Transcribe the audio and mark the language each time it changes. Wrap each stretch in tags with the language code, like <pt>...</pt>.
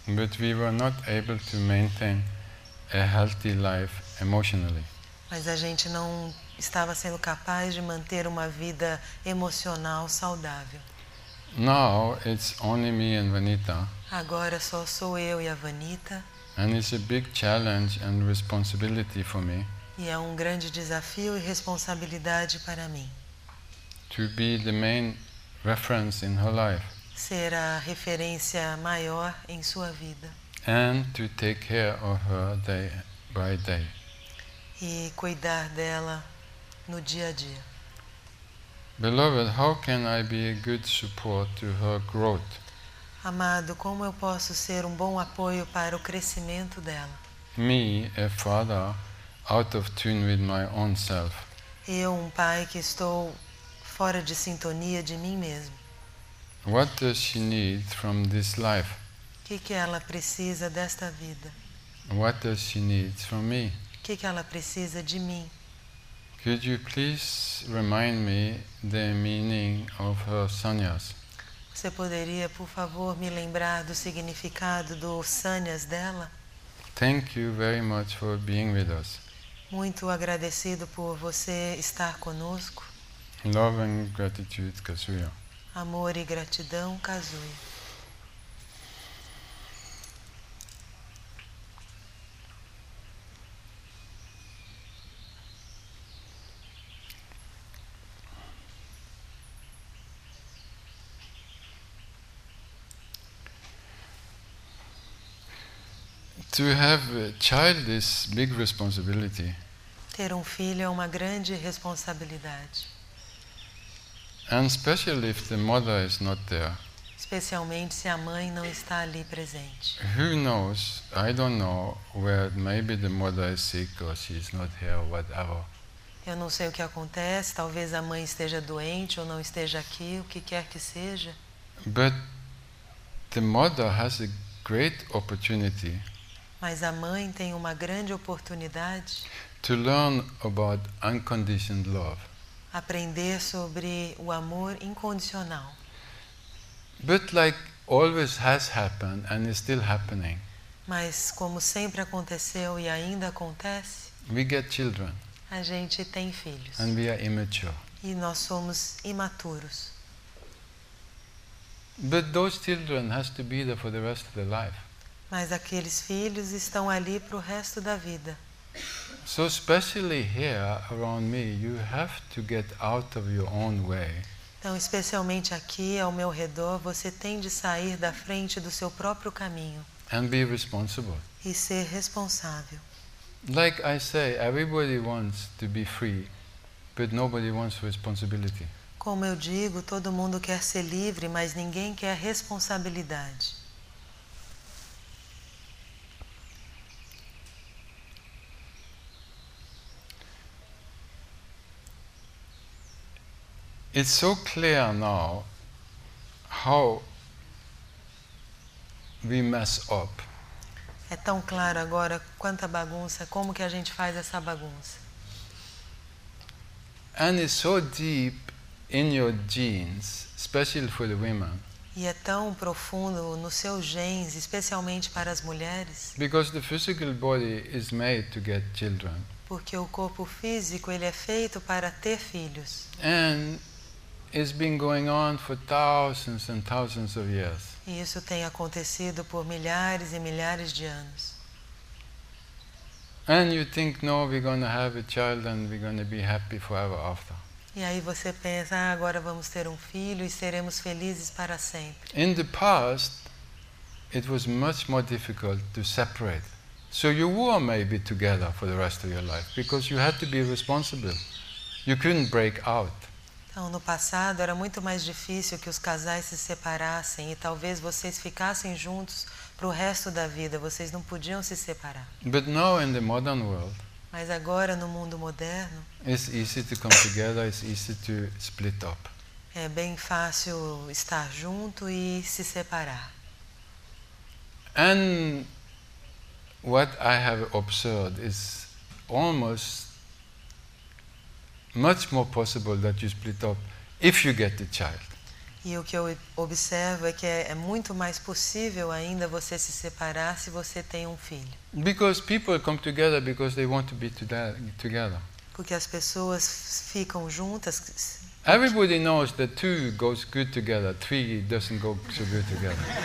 <en>But we were not able to maintain a healthy life emotionally.</en> <pt>Mas a gente não estava sendo capaz de manter uma vida emocional saudável.</pt> <en>Now it's only me and Vanita.</en> <pt>Agora só sou eu e a Vanita.</pt> <en>And it's a big challenge and responsibility for me.</en> <pt>E é um grande desafio e responsabilidade para mim.</pt> <en>To be the main reference in her life.</en> <pt>Ser a referência maior em sua vida.</pt> <en>And to take care of her day by day.</en> <pt>E cuidar dela no dia a dia.</pt> <en>Beloved, how can I be a good support to her growth?</en> <pt>Amado, como eu posso ser um bom apoio para o crescimento dela?</pt> <en>Me, a father, out of tune with my own self.</en> <pt>Eu, um pai que estou fora de sintonia de mim mesmo.</pt> <en>What does she need from this life?</en> <pt>Que ela precisa desta vida?</pt> <en>What does she need from me?</en> <pt>Que ela precisa de mim?</pt> <en>Could you please remind me the meaning of her sannyas?</en> <pt>Você poderia, por favor, me lembrar do significado do sannyas dela?</pt> <en>Thank you very much for being with us.</en> <pt>Muito agradecido por você estar conosco.</pt> <en>Love and gratitude, Kazuya.</en> <pt>Amor e gratidão, Kazuya.</pt> <en>To have a child is big responsibility.</en> <pt>Ter um filho é uma grande responsabilidade.</pt> <en>And especially if the mother is not there.</en> <pt>Especialmente se a mãe não está ali presente.</pt> <en>Who knows? I don't know where maybe the mother is sick or she's not here or whatever.</en> <pt>Eu não sei o que acontece, talvez a mãe esteja doente ou não esteja aqui, o que quer que seja.</pt> <en>But the mother has a great opportunity.</en> <pt>Mas a mãe tem uma grande oportunidade</pt> <en>to learn about unconditioned love.</en> <pt>Aprender sobre o amor incondicional.</pt> <en>But like always has happened and is still happening.</en> <pt>Mas como sempre aconteceu e ainda acontece.</pt> <en>We get children.</en> <pt>A gente tem filhos.</pt> <en>And we are immature.</en> <pt>E nós somos imaturos.</pt> <en>But those children have to be there for the rest of their life.</en> <pt>Mas aqueles filhos estão ali para o resto da vida.</pt> <en>So especially here around me, you have to get out of your own way.</en> <pt>Então, especialmente aqui ao meu redor, você tem de sair da frente do seu próprio caminho.</pt> <en>and be responsible.</en> <pt>E ser responsável.</pt> <en>Like I say, everybody wants to be free, but nobody wants responsibility.</en> <pt>Como eu digo, todo mundo quer ser livre, mas ninguém quer responsabilidade.</pt> <en>It's so clear now how we mess up.</en> <pt>É tão claro agora quanta bagunça, como que a gente faz essa bagunça.</pt> <en>And it's so deep in your genes, especially for the women.</en> <pt>E é tão profundo nos seus genes, especialmente para as mulheres.</pt> <en>Because the physical body is made to get children.</en> <pt>Porque o corpo físico, ele é feito para ter filhos.</pt> <en>And it's been going on for thousands and thousands of years.</en> <pt>E isso tem acontecido por milhares e milhares de anos.</pt> <en>And you think, no, we're going to have a child and we're going to be happy forever after.</en> <pt>E aí você pensa, ah, agora vamos ter um filho e seremos felizes para sempre.</pt> <en>In the past, it was much more difficult to separate. So you were maybe together for the rest of your life because you had to be responsible. You couldn't break out.</en> <pt>Então, no passado, era muito mais difícil que os casais se separassem e talvez vocês ficassem juntos para o resto da vida. Vocês não podiam se separar.</pt> <en>But now in the modern world,</en> <pt>mas agora, no mundo moderno,</pt> <en>it's easy to come together, it's easy to split up.</en> <pt>É bem fácil estar junto e se separar.</pt> <en>And what I have observed is almost much more possible that you split up if you get the child.</en> <pt>E o que eu observo é que é muito mais possível ainda você se separar se você tem um filho.</pt> <en>Because people come together because they want to be together.</en> <pt>Porque as pessoas ficam juntas.</pt> <en>Everybody knows that two goes good together, three doesn't go so good together.</en>